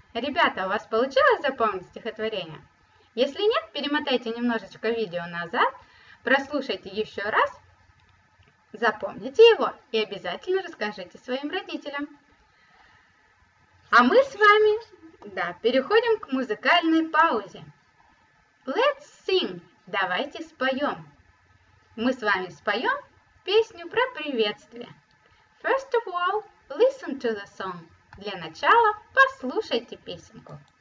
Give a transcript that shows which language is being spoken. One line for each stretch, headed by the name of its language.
Russian: Ребята, у вас получилось запомнить стихотворение? Если нет, перемотайте немножечко видео назад, прослушайте еще раз, запомните его и обязательно расскажите своим родителям. А мы с вами, да, переходим к музыкальной паузе.
English: Let's sing.
Russian: Давайте споем. Мы с вами споем песню про приветствие.
English: First of all, listen to the song.
Russian: Для начала послушайте песенку.